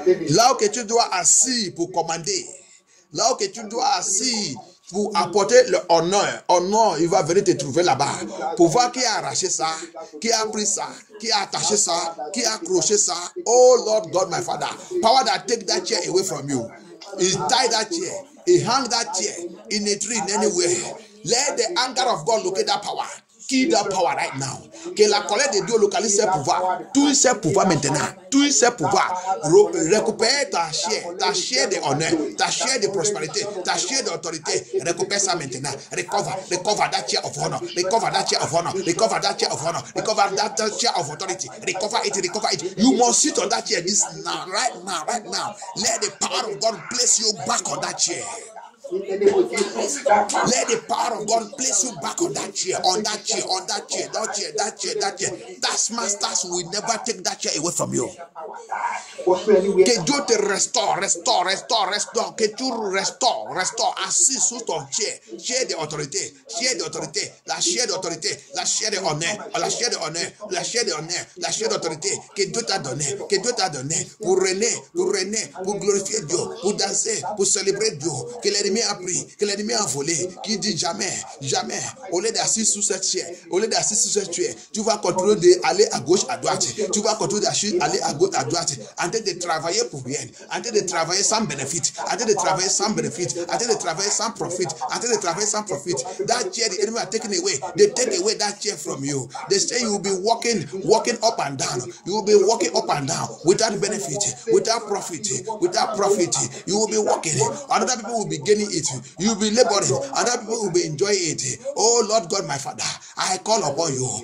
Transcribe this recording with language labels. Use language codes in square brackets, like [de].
[fr] Là où que tu dois assis pour commander, là où que tu dois assis pour apporter le honneur, honneur, il va venir te trouver là-bas. Pour voir qui a arraché ça, qui a pris ça, qui a attaché ça, qui a accroché ça. [en] Oh Lord God, my Father, power that take that chair away from you. He tied that chair, he hung that chair in a tree in anywhere. Let the anger of God locate that power. Keep that power right now. [fr] Que la colère de Dieu localise ses pouvoirs. Tout ses pouvoirs maintenant. Tout ses pouvoirs. Récupère ta chair de honneur, ta chair de prospérité, ta chair d'autorité. Récupère ça maintenant. [en] Recover, recover that chair of honor. Recover that chair of honor. Recover that chair of honor. Recover that chair of authority. Recover it, recover it. You must sit on that chair this now, right now, right now. Let the power of God place you back on that chair. Let the power of God place you back on that chair, on that chair, on that chair, that chair, that chair, that chair. That masters will never take that chair away from you. [fr] Que Dieu te restaure, restaure, restaure, restaure. Que tu restaures, restaure, assis sous ton chair, chair d'autorité, chair d'autorité, la chair d'autorité, la chair de honneur, la chair de honneur, la chair de honneur, la chair d'autorité que Dieu t'a donné, que Dieu t'a donné pour régner, pour régner, pour glorifier Dieu, pour danser, pour célébrer Dieu. Que l'ennemi a pris, que l'ennemi a volé, qui dit jamais, jamais, au lieu d'assis sous cette chair, au lieu d'assis sous cette chair, tu vas continuer d'aller à gauche, à droite, tu vas continuer d'aller à gauche, à droite, en train de travailler pour rien, en train de travailler sans bénéfice, en train de travailler sans bénéfice, en train de travailler sans profit, en train de travailler sans profit. [en] That chair, the enemy are taking away, they take away that chair from you. They say you will be walking, walking up and down, you will be walking up and down without benefit, without profit, without profit, you will be walking, other people will be gaining it. You'll be laboring. Other people will be enjoying it. Oh Lord God, my Father, I call upon you.